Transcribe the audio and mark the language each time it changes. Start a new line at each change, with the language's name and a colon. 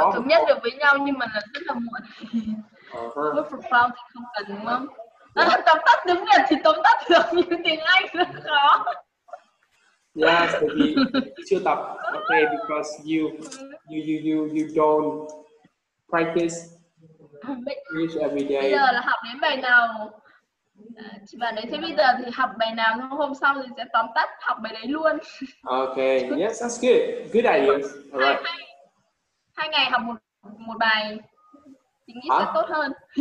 Vietnamese: thống nhất được với nhau nhưng mà là rất là muộn.
English: Work from home
Vietnamese: thì không cần đúng không? Tóm tắt tiếng Việt thì tóm tắt được nhưng tiếng Anh rất khó.
English: Yes,
Vietnamese: vì chưa tập.
English: Okay, because you don't practice English every day.
Vietnamese: Bây giờ là học đến bài nào? Chị bạn ấy thế bây giờ thì học bài nào hôm sau thì sẽ tóm tắt học bài đấy luôn.
English: Okay, yes, that's good. Good idea. Alright.
Vietnamese: Hai ngày học một bài, chị nghĩ sẽ tốt hơn.